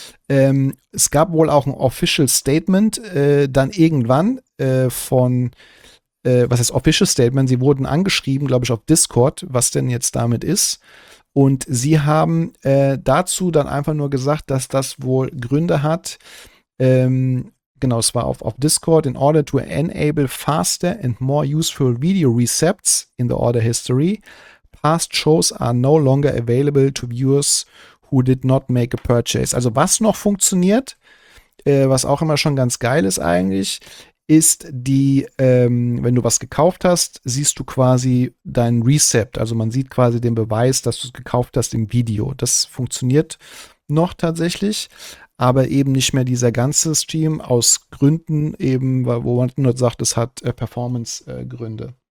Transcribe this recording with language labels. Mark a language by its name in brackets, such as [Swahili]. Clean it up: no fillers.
[German] Es gab wohl auch ein Official Statement dann irgendwann von, was heißt Official Statement, sie wurden angeschrieben, glaube ich, auf Discord, was denn jetzt damit ist. Und sie haben dazu dann einfach nur gesagt, dass das wohl Gründe hat. Genau, es war auf Discord. [English] In order to enable faster and more useful video recepts in the order history, past shows are no longer available to viewers who did not make a purchase. [German] Also was noch funktioniert, was auch immer schon ganz geil ist eigentlich, ist die, wenn du was gekauft hast, siehst du quasi dein Recept. Also man sieht quasi den Beweis, dass du es gekauft hast im Video. Das funktioniert noch tatsächlich, aber eben nicht mehr dieser ganze Stream aus Gründen eben, wo man nur sagt, es hat Performance-Gründe.